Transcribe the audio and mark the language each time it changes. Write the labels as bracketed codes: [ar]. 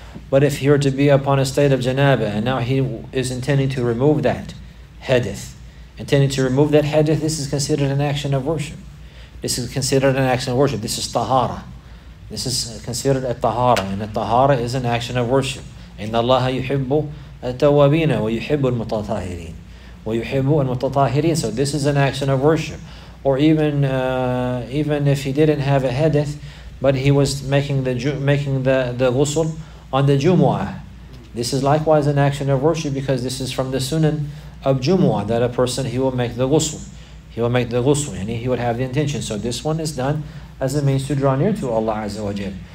[en] But if he were to be upon a state of janabah, and now he is intending to remove that hadith, intending to remove that hadith, this is considered an action of worship. This is considered an action of worship. This is tahara. This is considered a tahara, and a tahara is an action of worship. [ar] إِنَّ اللَّهَ يُحِبُّ التَّوَّابِينَ وَيُحِبُّ الْمُتَطَاهِرِينَ وَيُحِبُّ الْمُتَطَاهِرِينَ. [en] So this is an action of worship. Or even if he didn't have a hadith, but he was making the ghusl on the Jumu'ah. This is likewise an action of worship, because this is from the sunan of Jumu'ah, that a person, he will make the ghusl. He will make the ghusl, and he would have the intention. So this one is done as a means to draw near to Allah Azza wa Jal.